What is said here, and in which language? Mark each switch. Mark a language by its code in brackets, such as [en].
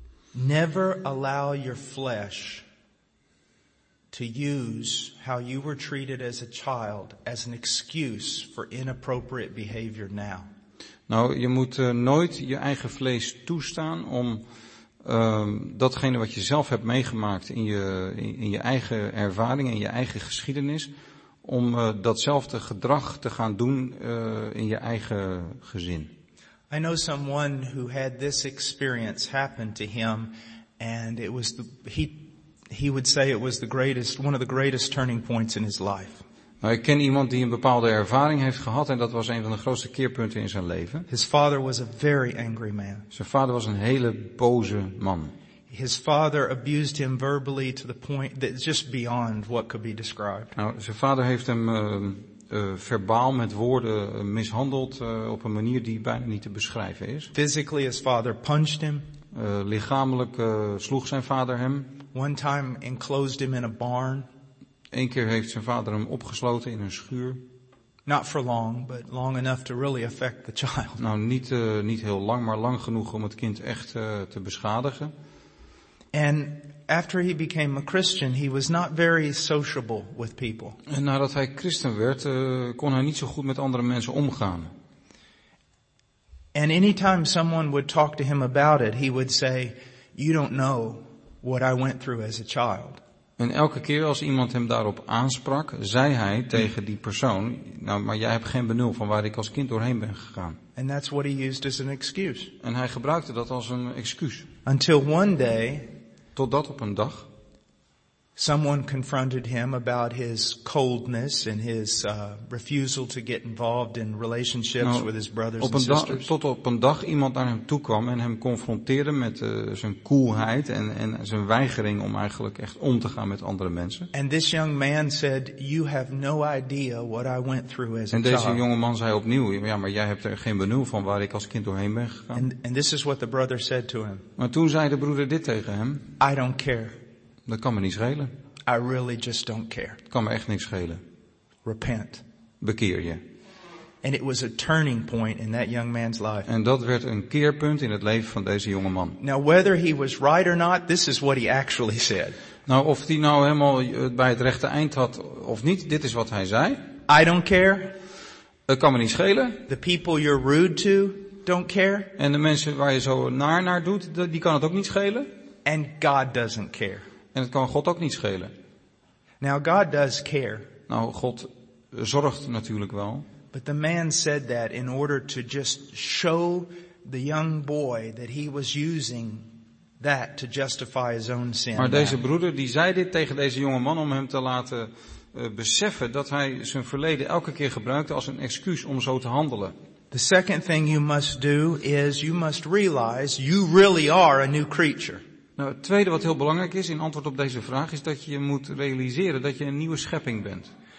[en] never allow your flesh to use how you were treated as a child as an excuse for inappropriate behavior now. [nl] Nou, je moet nooit je eigen vlees toestaan om datgene wat je zelf hebt meegemaakt in je eigen ervaring, in je eigen geschiedenis, om datzelfde gedrag te gaan doen in je eigen gezin. [en] I know someone who had this experience happen to him, and it was he would say it was the greatest, one of the greatest turning points in his life. [nl] Nou, ik ken iemand die een bepaalde ervaring heeft gehad en dat was een van de grootste keerpunten in zijn leven. [en] His father was a very angry man. [nl] Zijn vader was een hele boze man. [en] His father abused him verbally to the point that is just beyond what could be described. [nl] Nou, zijn vader heeft hem verbaal met woorden mishandeld op een manier die bijna niet te beschrijven is. [en] Physically, his father punched him. [nl] Lichamelijk sloeg zijn vader hem. [en] One time enclosed him in a barn. [nl] Eén keer heeft zijn vader hem opgesloten in een schuur. [en] Not for long, but long enough to really affect the child. [nl] Nou, niet heel lang, maar lang genoeg om het kind echt te beschadigen. [en] And after he became a Christian, he was not very sociable with people. [nl] En nadat hij christen werd, kon hij niet zo goed met andere mensen omgaan. [en] And anytime someone would talk to him about it, he would say, "You don't know what I went through as a child." [nl] En elke keer als iemand hem daarop aansprak, zei hij tegen die persoon, nou, maar jij hebt geen benul van waar ik als kind doorheen ben gegaan. [en] And that's what he used as an excuse. [nl] En hij gebruikte dat als een excuus. [en] Until one day, [nl] totdat op een dag, [en] someone confronted him about his coldness and his refusal to get involved in relationships with his brothers and sisters. [nl] Tot op een dag iemand naar hem toe kwam en hem confronteerde met zijn koelheid en zijn weigering om eigenlijk echt om te gaan met andere mensen. [en] And this young man said, "You have no idea what I went through as a child." [nl] En deze jonge man zei opnieuw, ja, maar jij hebt er geen benul van waar ik als kind doorheen ben gegaan. [en] And this is what the brother said to him. [nl] Maar toen zei de broeder dit tegen hem. [en] "I don't care." [nl] Dat kan me niet schelen. [en] I really just don't care. [nl] Het kan me echt niks schelen. [en] Repent. [nl] Bekeer je. [en] And it was a turning point in that young man's life. [nl] En dat werd een keerpunt in het leven van deze jonge man. [en] Now whether he was right or not, this is what he actually said. [nl] Nou, of hij nou helemaal bij het rechte eind had of niet, dit is wat hij zei. [en] I don't care. [nl] Het kan me niet schelen. [en] The people you're rude to don't care. [nl] En de mensen waar je zo naar doet, die kan het ook niet schelen. [en] And God doesn't care. [nl] En het kan God ook niet schelen. [en] Now God does care. [nl] Nou, God zorgt natuurlijk wel. [en] But the man said that in order to just show the young boy that he was using that to justify his own sin. [nl] Maar deze broeder die zei dit tegen deze jonge man om hem te laten beseffen dat hij zijn verleden elke keer gebruikte als een excuus om zo te handelen. [en] The second thing you must do is you must realize you really are a new creature. [nl] Nou, het tweede wat heel belangrijk is in antwoord op deze vraag is dat je moet realiseren dat je een nieuwe schepping bent.